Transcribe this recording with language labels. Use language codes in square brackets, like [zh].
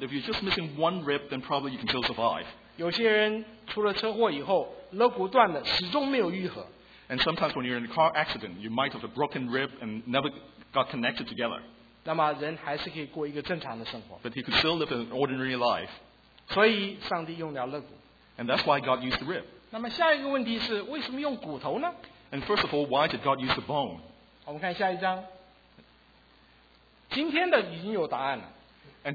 [en] if you're just missing one rib, then probably you can still survive. [zh] 有些人出了车祸以后，肋骨断了，始终没有愈合。 [en] And sometimes when you're in a car accident, you might have a broken rib and never got connected together. [zh] 那么人还是可以过一个正常的生活。 [en] But he could still live an ordinary life. [zh] 所以上帝用了肋骨。 [en] And that's why God used the rib. [zh] 那么下一个问题是，为什么用骨头呢？ [en] And first of all, why did God use the bone? [zh] 我们看下一章。今天的已经有答案了。 [en] And